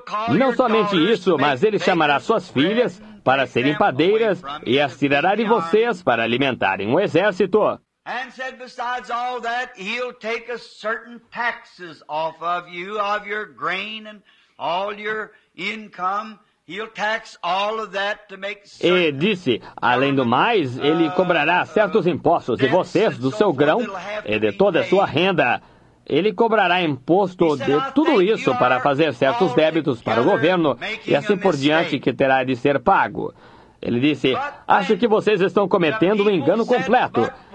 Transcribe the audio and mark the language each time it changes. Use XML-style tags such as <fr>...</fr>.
<pt>Não somente isso, mas ele chamará suas filhas para serem padeiras e as tirará de vocês para alimentarem um exército.</pt> <en>And said, besides all that, he'll take a certain taxes off of you, of your grain and all your income. He'll tax all of that to make certain.</en> <pt>E disse, além do mais, ele cobrará certos impostos de vocês, do seu grão e de toda a sua renda. Ele cobrará imposto de tudo isso para fazer certos débitos para o governo e assim por diante que terá de ser pago. Ele disse, acho que vocês estão cometendo um engano completo.</pt>